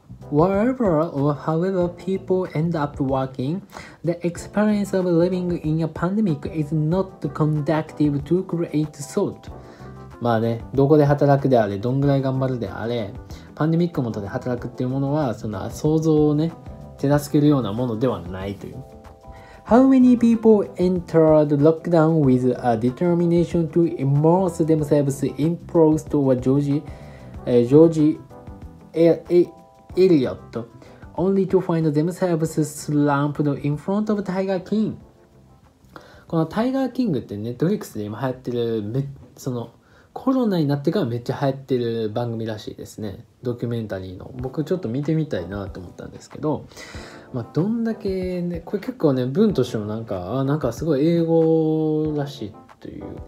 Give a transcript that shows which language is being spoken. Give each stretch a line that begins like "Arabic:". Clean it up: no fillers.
English: Wherever or however people end up working, the experience of living in a pandemic is not conducive to create thought.
Japanese: まあね、どこで働くであれ、どんぐらい頑張るであれ、パンデミックもとで働くっていうものは、その想像をね、手助けるようなものではないという。
English: How many people entered lockdown with a determination to immerse themselves in Proust or George Eliot only to find themselves slumped in front of Tiger King?
Japanese: このタイガーキングってネットフリックスで今流行ってる、そのコロナになってからめっちゃ流行ってる番組らしいですね。ドキュメンタリーの。僕ちょっと見てみたいなと思ったんですけど、まあどんだけね、これ結構ね、文としてもなんかすごい英語らしいという。